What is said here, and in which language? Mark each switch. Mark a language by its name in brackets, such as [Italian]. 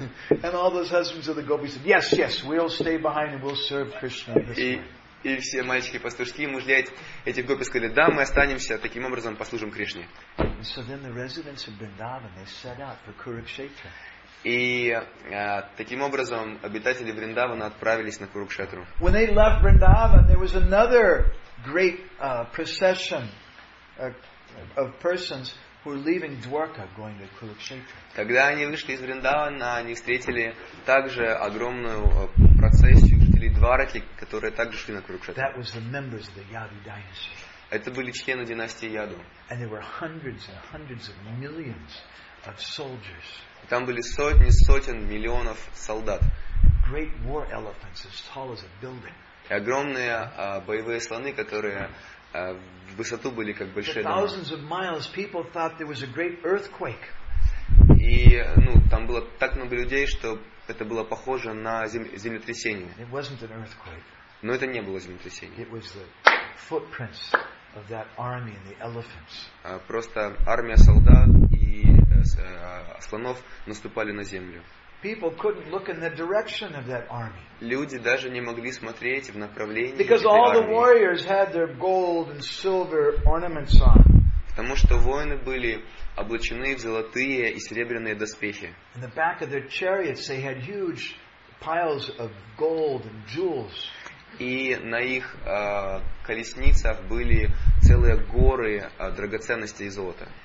[English] And all those husbands of the gopis said, "Yes, yes, we'll stay behind and we'll serve Krishna this way." [Russian] И все мальчики-пастушки, мужья этих гопи сказали, да, мы останемся, таким образом послужим Кришне. [English] And so then the residents of Vrindavan, they set out for Kurukshetra. [Russian] И таким образом обитатели Вриндавана отправились на Курукшетру. [English] When they left Vrindavan, there was another great procession of persons who were leaving Dwarka, going to Kurukshetra. [Russian] Когда они вышли из Вриндавана, они встретили также огромную процессию жителей Двараки, которые также шли на Курукшетру. [English] That was the members of the Yadu dynasty. [Russian] Это были члены династии Яду. [English] And there were hundreds and hundreds of millions of soldiers. [Russian] Там были сотни, сотен миллионов солдат. [English] Great war elephants, as tall as a building. [Russian] И огромные боевые слоны, которые в высоту были как большие дома. [English] Thousands of miles, people thought there was a great earthquake. [Russian] И там было так много людей, что это было похоже на землетрясение. [English] It wasn't an earthquake. [Russian] Но это не было землетрясение. [English] It was the footprints of that army and the elephants. [Russian] Просто армия солдат и слонов наступали на землю. [English] People couldn't look in the direction of that army. [Russian] Люди даже не могли смотреть в направлении. [English] Because all the warriors had their gold and silver ornaments on. [Russian] Потому что воины были облачены в золотые и серебряные доспехи. [English] In the back of their chariots they had huge piles of gold and jewels. [Russian] И на их колесницах были целые горы драгоценностей и золота.